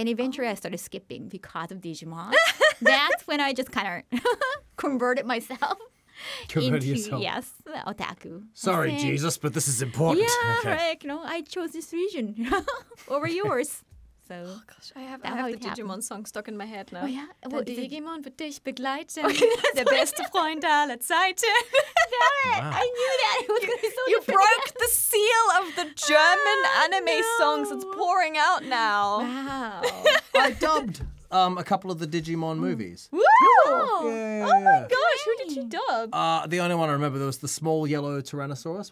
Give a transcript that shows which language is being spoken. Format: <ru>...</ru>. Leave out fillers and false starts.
<en>And eventually I started skipping because of Digimon. That's when I just kind of converted myself. Yes, otaku. Sorry, okay. Jesus, but this is important. Yeah, okay. Right. You know, I chose this region over yours. So I have the Digimon song stuck in my head now. Oh, yeah? Well, the</en> <de>Digimon wird dich begleiten. Der beste Freund aller Zeiten.</de> <en>I knew that. It was going to be so You broke the seal of the German anime songs. It's pouring out now. Wow. I dubbed a couple of the Digimon movies. Woo! Yeah. Oh, my gosh. Hey. Who did you dub? The only one I remember, there was the small yellow Tyrannosaurus.</en>